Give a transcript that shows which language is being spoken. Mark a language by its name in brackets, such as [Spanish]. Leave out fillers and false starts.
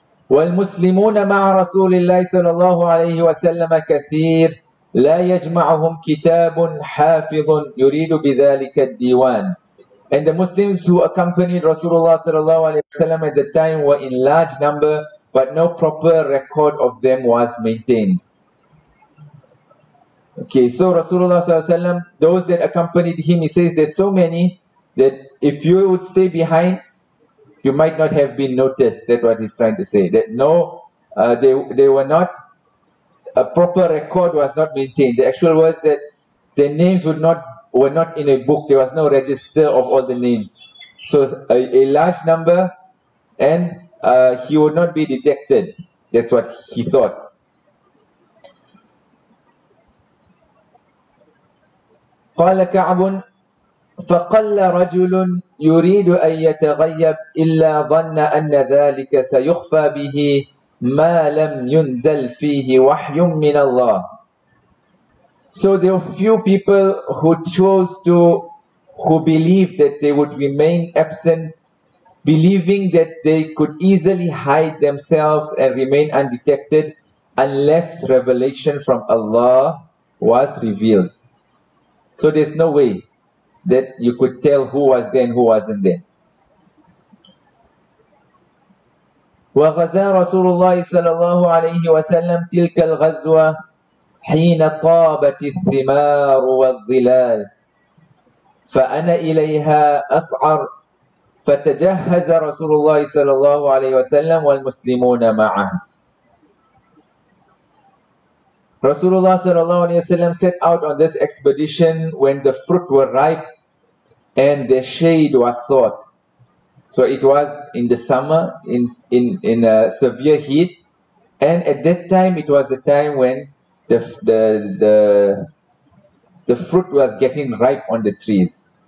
[Arabic] والمسلمون مع رسول الله صلى الله عليه وسلم كثير لا يجمعهم كتاب حافظ يريد بذلك الديوان. [English] And the Muslims who accompanied Rasulullah sallallahu alaihi wasallam at the time were in large number, but no proper record of them was maintained. Okay, so Rasulullah sallallahu alaihi wasallam, those that accompanied him, he says there's so many that if you would stay behind, you might not have been noticed. That's what he's trying to say. That no, they were not, a proper record was not maintained. The actual words that their names would not, were not in a book. There was no register of all the names. So a large number, and he would not be detected. That's what he thought. [Arabic] قال كعب فقل رجل يريد أن يتغيب إلا ظن أن ذلك سيخفى به ما لم ينزل فيه وحي من الله. [English] So there were few people who chose to, who believed that they would remain absent, believing that they could easily hide themselves and remain undetected unless revelation from Allah was revealed. So there's no way that you could tell who was there and who wasn't there. [Arabic] وَغَزَى رَسُولُ اللَّهِ صَلَى اللَّهُ عَلَيْهِ وَسَلَّمْ تِلْكَ الْغَزْوَى حين طابت الثمار والظلال فأنا إليها أسعر فتجهز رسول الله صلى الله عليه وسلم والمسلمون معه. [English] Rasulullah [Arabic] صلى الله عليه وسلم [English] set out on this expedition when the fruit were ripe and the shade was sought. So it was in the summer, in a severe heat, and at that time it was the time when the fruit was getting ripe on the trees.